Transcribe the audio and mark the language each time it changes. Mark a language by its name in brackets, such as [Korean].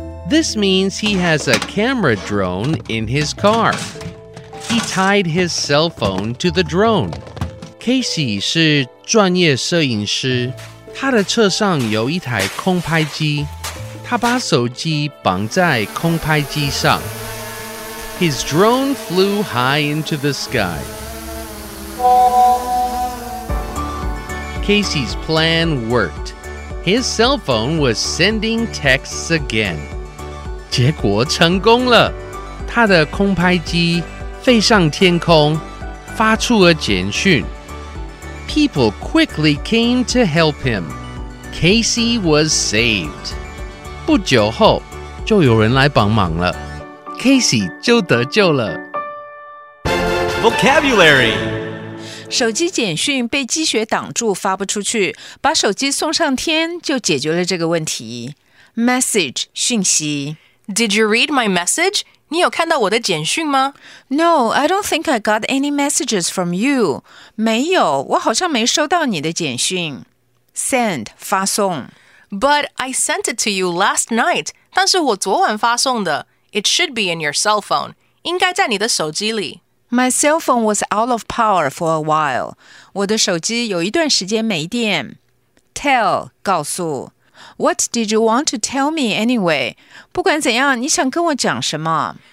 [English] This means he has a camera drone in his car. He tied his cell phone to the drone. [Chinese] Casey 是专业摄影师，他的车上有一台空拍机，他把手机绑在空拍机上。 [English] His drone flew high into the sky. Casey's plan worked. His cell phone was sending texts again. [Chinese] 结果成功了，他的空拍机飞上天空，发出了简讯。 [English] People quickly came to help him. Casey was saved. [Chinese] 不久后，就有人来帮忙了。 Casey 就得救了。 [English] Vocabulary. [Chinese] 手机简讯被积雪挡住发不出去，把手机送上天就解决了这个问题。 Message 讯息。 [English] Did you read my message? 你有看到我的简讯吗？ No, I don't think I got any messages from you. [Chinese] 没有，我好像没收到你的简讯。 Send 发送。 [English] But I sent it to you last night. [Chinese] 但是我昨晚发送的。 It should be in your cell phone. 应该在你的手机里。 [English] My cell phone was out of power for a while. [Chinese] 我的手机有一段时间没电。 Tell, 告诉。 [English] What did you want to tell me anyway? [Chinese] 不管怎样，你想跟我讲什么？